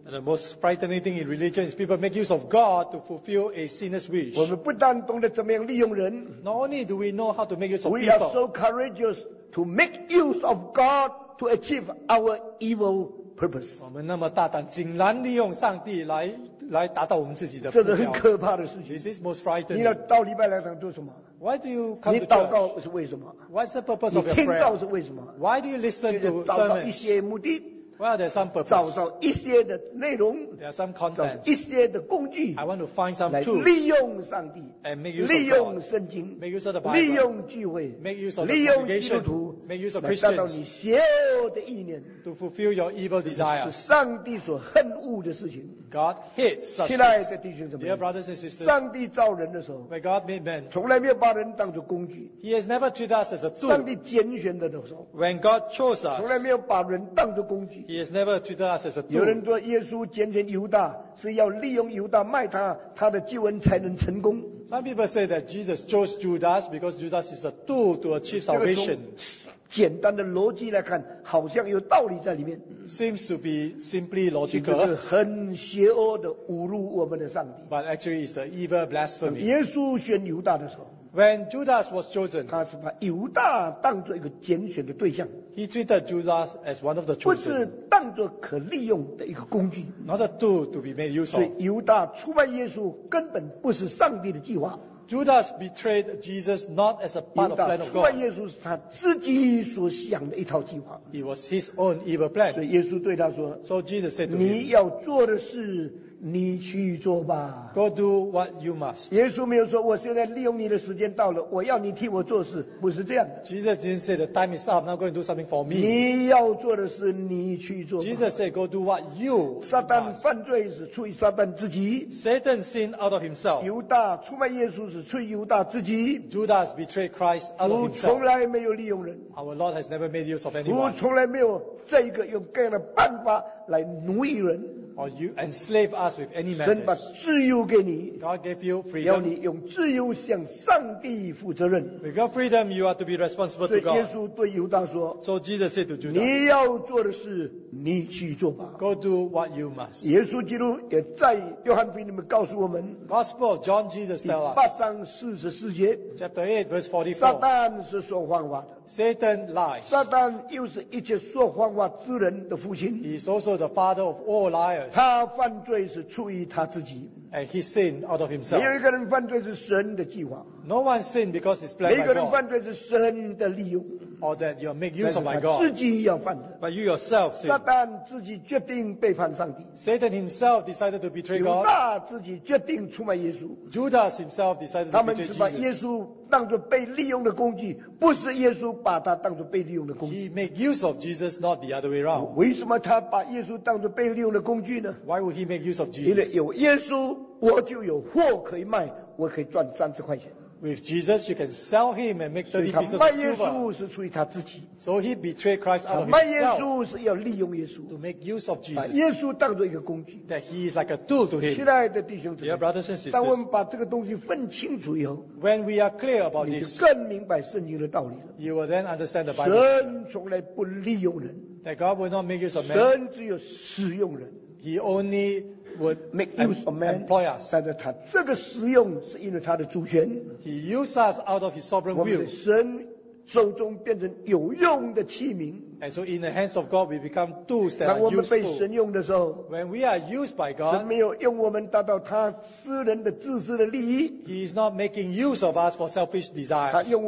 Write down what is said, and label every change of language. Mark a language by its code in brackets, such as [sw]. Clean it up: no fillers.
[en] And the most frightening thing in religion is people make use of God to fulfill a sinner's wish. [zh] 我们不但懂得怎么样利用人, [en] not only do we know how to make use of we people, we are so courageous to make use of God to achieve our evil purpose. [zh] 我们那么大胆竟然利用上帝来 来达到我们自己的目标, 这是很可怕的事情。 [en] This is most frightening. [zh] 你要到礼拜来堂做什么? [en] Why do you come to church? [zh] 你祷告是为什么? [en] What's the purpose of your prayer? [zh] 你听到是为什么? [en] Why do you listen to sermons? [zh] 找到一些目的, [en] well, there's some purpose. [zh] 找到一些的内容, [en] there are some contents. [zh] 找到一些的工具, [en] I want to find some tools. [zh] 来利用上帝, [en] and make use of [zh] 利用圣经, [en] make use of the Bible. [zh] 利用聚会, [en] make use of the congregation. [zh] 利用基督徒, [en] make use of Christians. [zh] 来达到你邪恶的意念, [en] to fulfill your evil desires. [zh] 是上帝所恨恶的事情, [en] God hates such things. [zh] 亲爱的弟兄姊妹, [en] dear brothers and sisters, [zh] 上帝造人的时候, [en] when God made man, [zh] 从来没有把人当作工具, [en] he has never treated us as a tool. [zh] 上帝拣选的时候, [en] when God chose us, [zh] 从来没有把人当作工具, [en] he has never treated us as a tool. [zh] 有人说耶稣拣选犹大, 是要利用犹大卖他的救恩才能成功。 [en] Some people say that Jesus chose Judas because Judas is a tool to achieve salvation. [zh] 简单的逻辑来看, 好像有道理在里面, [en] seems to be simply logical. [zh] 这是很邪恶的侮辱我们的上帝, [en] but actually it's an evil blasphemy. [zh] 耶稣选犹大的时候, [en] when Judas was chosen, [zh] 他是把犹大当作一个拣选的对象, [en] he treated Judas as one of the chosen, [zh] 不是当作可利用的一个工具, [en] not a tool to be made use of. [zh] 所以犹大出卖耶稣, 根本不是上帝的计划。 [en] Judas betrayed Jesus not as a part of plan of God. [zh] 犹大出卖耶稣是他自己所想的一套计划。 [en] It was his own evil plan. [zh] 所以耶稣对他说, [en] so Jesus said to him, [zh] 你要做的是 你去做吧, [en] go do what you must. [zh] 耶稣没有说, 我现在利用你的时间到了, 我要你替我做事, 不是这样的。 [en] Jesus didn't say the time is up, now go and do something for me. [zh] 你要做的是 你去做吧。 [en] Jesus said go do what you must. [zh] 撒旦犯罪是出于撒旦自己, [en] Satan sinned out of himself. [zh] 犹大出卖耶稣是出于犹大自己, [en] Judas betrayed Christ out of himself. [zh] 主从来没有利用人, [en] our Lord has never made use of anyone. [zh] 主从来没有这个用各样的办法来奴役人, [en] or you enslave us with any methods. [zh] 神把自由给你, [en] God gave you freedom. [zh] 要你用自由向上帝负责任, [en] with your freedom you are to be responsible to God. [zh] 所以耶稣对犹大说, [en] so Jesus said to Judas, [zh] 你要做的事, 你去做吧, [en] go do what you must. [zh] 耶稣基督也在约翰福音里面告诉我们, [en] Gospel of John Jesus tell us, [zh] 第八章44节, [en] chapter 8 verse 44, [zh] 撒旦是说谎话的, [en] Satan lies. [zh] 撒旦又是一切说谎话之人的父亲。 [en] He is also the father of all liars. [zh] 他犯罪是出于他自己。 [en] And he sinned out of himself. [zh] 没有一个人犯罪是神的计划。 [en] No one sinned because it's planned by God. [zh] 每一个人犯罪是神的利用。 [en] Or that you make use of my God. [zh] 自己要犯的。 [en] But you yourself sin. [zh] 撒旦自己决定背叛上帝。 [en] Satan himself decided to betray God. [zh] 犹大自己决定出卖耶稣。 [en] Judas himself decided to betray Jesus. [zh] 他们是把耶稣 当作被利用的工具, 不是耶稣把他当作被利用的工具。 [en] He made use of Jesus, not the other way around. [zh] 为什么他把耶稣当作被利用的工具呢? [en] Why would he make use of Jesus? [zh] 因为有耶稣, 我就有货可以卖, 我可以赚30块钱。 [en] With Jesus, you can sell him and make 30 pieces of silver. [zh] 所以他卖耶稣是出于他自己。 [en] So he betrayed Christ out of himself. [zh] 他卖耶稣是要利用耶稣。 [en] To make use of Jesus. [zh] 把耶稣当作一个工具。 [en] That he is like a tool to him. [zh] 亲爱的弟兄姊妹, [en] Dear brothers and sisters. [zh] 当我们把这个东西分清楚以后, [en] When we are clear about this, [zh] 你就更明白圣经的道理了。 [en] You will then understand the Bible. [zh] 神从来不利用人。 [en] That God will not make use of man. [zh] 神只有使用人。 [en] He only would make use of man, employ us. [zh] 但是他这个使用是因为他的主权。 [en] He used us out of his sovereign will. [zh] 我们的神手中变成有用的器皿。 [en] And so in the hands of God, we become tools that are useful. [zh] 被神用的时候, [en] when we are used by God, [zh] 神没有用我们达到他私人的自私的利益。 [en] He is not making use of us for selfish desires.